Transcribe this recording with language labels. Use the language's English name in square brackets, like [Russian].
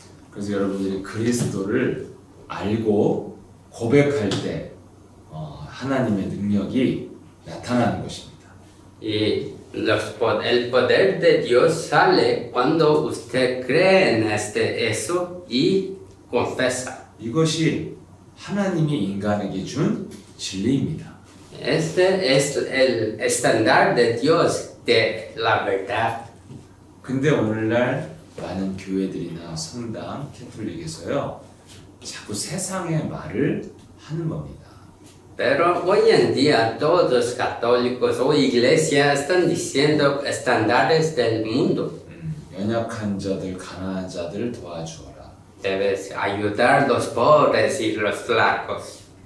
[Korean] 그래서 여러분들이 그리스도를 알고 고백할 때 하나님의 능력이 나타나는 것입니다. [Spanish] Y el poder de Dios sale cuando usted cree en eso y confiesa. [Korean] 이것이 하나님이 인간에게 준 진리입니다. [Spanish] Este es el estándar de Dios de la verdad. [Korean] 근데 오늘날 많은 교회들이나 성당, 캐톨릭에서요 자꾸 세상의 말을 하는 겁니다. [Spanish] Pero hoy en día todos católicos o iglesias están diciendo estándares del mundo. [Korean] 연약한 자들, 가난한 자들 도와주어라. [Spanish] Debes ayudar los pobres y los flacos.